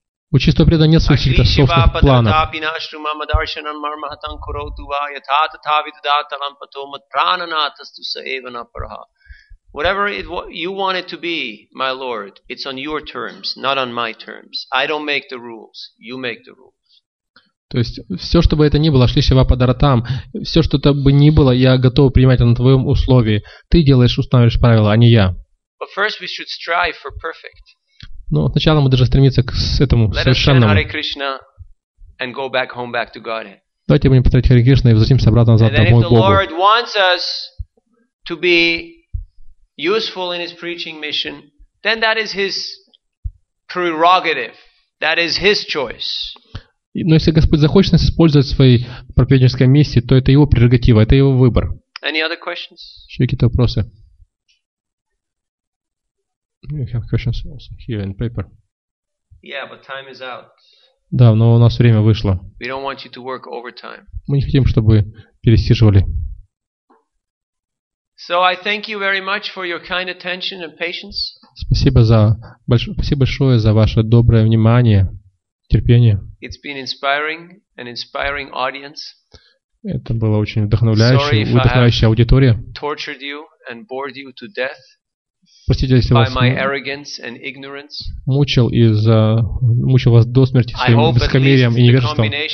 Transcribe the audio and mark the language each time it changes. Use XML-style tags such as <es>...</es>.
<ru>У чистого преданного нет своих каких-то собственных планов.</ru> <en>Whatever it you want it to be, my Lord, it's on your terms, not on my terms. I don't make the rules, you make the rules.</en> <ru>То есть все, чтобы это ни было, шли шива подаратам, все, что это бы ни было, я готов принимать на твоем условии. Ты делаешь, устанавливаешь правила, а не я.</ru> <en>But first we should strive for perfect.</en> <ru>Но сначала мы должны стремиться к этому совершенному.</ru> <en>Let us chant Hare Krishna and go back home, back to God.</en> <ru>Давайте будем повторять Харе Кришна и возвратимся обратно назад домой к Богу.</ru> <en>And if the Lord wants us to be useful in his preaching mission, then that is his prerogative, that is his choice.</en> <ru>Но если Господь захочет нас использовать в своей проповеднической миссии, то это его прерогатива, это его выбор.</ru> <en>Any other questions?</en> <ru>Еще какие-то вопросы?</ru> <en>We have questions also here in paper. Yeah, but time is out.</en> <ru>Да, но у нас время вышло.</ru> <en>We don't want you to work overtime.</en> <ru>Мы не хотим, чтобы пересиживали.</ru> <en>So I thank you very much for your kind attention and patience.</en> <ru>Спасибо большое за ваше доброе внимание, терпение.</ru> <en>It's been inspiring, an inspiring audience.</en> <ru>Это было очень вдохновляющее, вдохновляющая аудитория.</ru> <en>Sorry if I have tortured you and bored you to death.</en> <ru>Простите, если вас мучил вас до смерти своим высокомерием и невежеством.</ru>